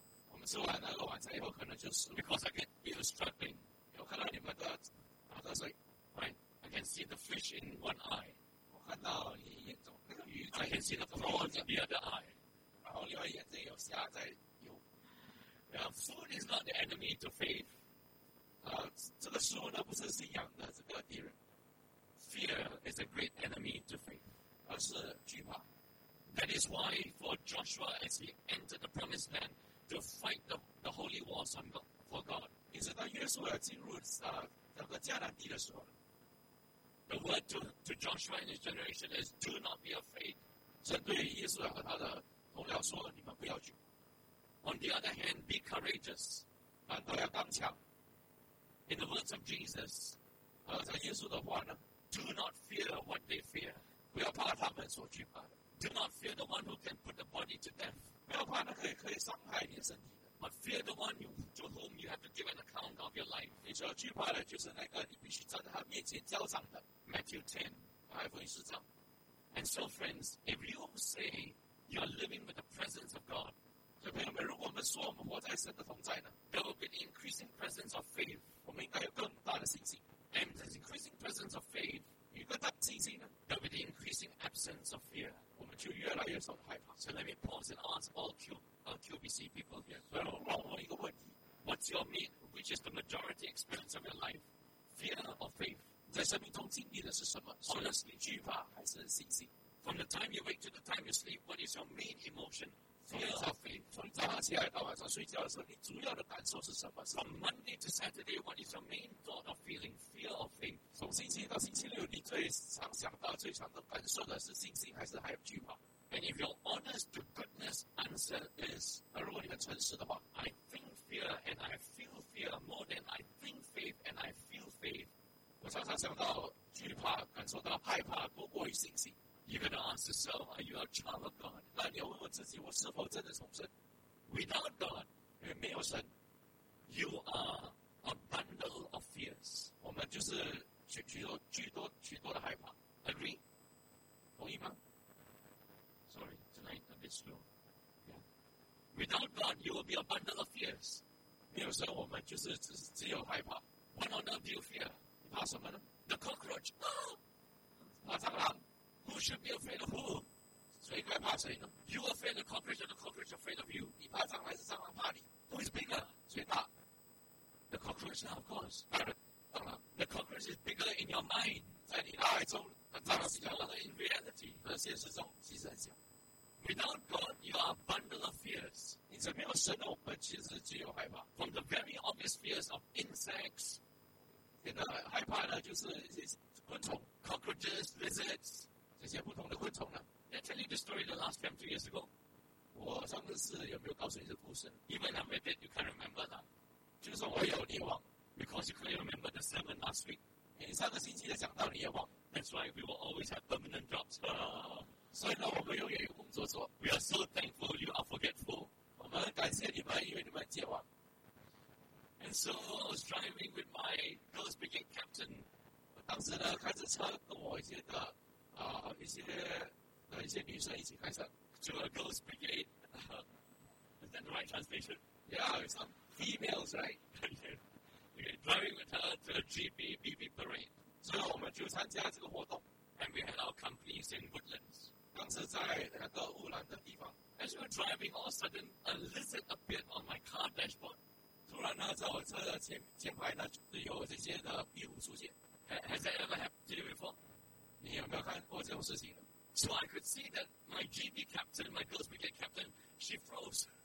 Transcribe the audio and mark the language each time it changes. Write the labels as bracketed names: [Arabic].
[Chinese] 我们吃完那个晚餐以后，可能就是 [English] Because I can feel struggling. [Chinese] 我看到你们的打瞌睡 [English] ，Right? I can see the fish in one eye. [Chinese] 我看到你眼中那个鱼在。 [English] I can see the prawns in the other eye. [Chinese] 然后另外眼睛有虾在游。 [English] Food is not the enemy to faith. [Chinese] 这个食物呢不是信仰的这个敌人。 [English] Fear is a great enemy to faith. [Chinese] 而是惧怕。 [English] That is why for Joshua as he entered the promised land to fight the holy wars on God for God. [Chinese] 你知道约书亚进入那个迦南地的时候 [English] ，The word to Joshua and his generation is "Do not be afraid." [Chinese] 神对约书亚和他的同僚说：“你们不要惧。 [English] ”On the other hand, be courageous. [Chinese] 反倒要刚强。 [English] In the words of Jesus, [Chinese] 在耶稣的话呢 [English] ，Do not fear what they fear. [Chinese] 不要怕他们所惧怕的。 [English] Do not fear the one who can put the body to death. [Chinese] 不要怕那可以伤害你的身体。 [English] But fear the one to whom you have to give an account of your life. [Chinese] 你所惧怕的就是那个你必须站在他面前交账的。 [English] Matthew 10, [Chinese] 马太福音十章。 [English] And so, friends, if you say you are living with the presence of God, [Chinese] 所以朋友们，如果我们说我们活在神的同在呢 [English] ，there will be an increasing presence of faith. [Chinese] 我们应该有更大的信心。 [English] And this increasing presence of faith, [Chinese] 有更大的信心呢 [English] ，there will be an increasing absence of fear. [Chinese] 我们就越来越少害怕。 [English] So let me pause and ask all of you. QBC people here. [Chinese] So, 让我一个问题 [English] What's your main, which is the majority experience of your life? Fear or faith? [Chinese] 在生命中经历的是什么 [English] Honestly, [Chinese] 惧怕还是信心 [English] From the time you wake to the time you sleep, what is your main emotion? Fear or faith? [Chinese] 从你早上起来到晚上睡觉的时候，你主要的感受是什么 [English] From Monday to Saturday, what is your main thought or feeling? Fear or faith? [Chinese] 从星期一到星期六，你最常想到、最常的感受的是信心还是还有惧怕？ [English] And if your honest to goodness answer is, [Chinese] 如果你们诚实的话 [English] I think fear and I feel fear more than I think faith and I feel faith. [Chinese] 我常常想到惧怕，感受到害怕，多过于信心。 [English] You're going to ask yourself, are you a child of God? [Chinese] 那你要问问自己，我是否真的重生 [English] ？Without God, [Chinese] 因为没有神 [English] ，you are a bundle of fears. [Chinese] 我们就是许多的害怕。 [English] Agree? [Chinese] 同意吗？ [English] Sorry, tonight a bit slow. Yeah. Without God, you will be a bundle of fears. [Chinese] 没有神，我们就是只有害怕。 [English] What on earth do you fear? [Chinese] 你怕什么呢 [English] ？The cockroach. [Chinese] 怕蟑螂。 [English] Who should be afraid of who? [Chinese] 谁该怕谁呢 [English] ？You afraid the cockroach, or the cockroach afraid of you? [Chinese] 你怕蟑螂，还是蟑螂怕你 [English] ？Who is bigger? [Chinese] 谁大 [English] ？The cockroach, of course. [Chinese] 当然，蟑螂。 [English] The cockroach is bigger in your mind. [Chinese] 在你脑海中。 [English] That's smaller in reality. [Chinese] 而现实中其实很小。 [English] Without God, you are a bundle of fears. [Chinese] 你这没有神的，我们其实只有害怕。 [English] From the very obvious fears of insects, [Chinese] 现在害怕呢，就是一些昆虫 [English] cockroaches, lizards, [Chinese] 这些不同的昆虫呢。 [English] I tell you the story the last time 2 years ago. [Chinese] 我上次有没有告诉你这故事？ [English] Even I'm with it, you can't remember that. [Chinese] 就算我有你忘， [English] because you couldn't remember the sermon last week. [Chinese] 你上个星期的讲道你也忘。 [English] That's why we will always have permanent jobs. [Chinese] 所以呢，我们永远有工作做。 [English] We are so thankful you are forgetful. [Chinese] 我们感谢你们，因为你们健忘。 [English] And so I was driving with my girl's brigade captain. [Chinese] 当时呢，开着车跟我一些的啊、一些女生一起开车。 [English] To a girl's brigade. Is that the right translation? Yeah, it's some females, right? Okay. Okay, driving with her to a GB BB parade. [Chinese] 所以我们就参加这个活动。 [English] And we had our companies in Woodlands. [Chinese] 当时在那个乌兰的地方。 [English] As we were driving, all of a sudden, a lizard appeared on my car dashboard. [Chinese] 突然呢，在我车的前排呢，就有这些的壁虎出现。 [English] Has that ever happened to you before? [Chinese] 你有没有看过这种事情呢 [English] ？So I could see that my GB captain, my girl's brigade captain, she froze.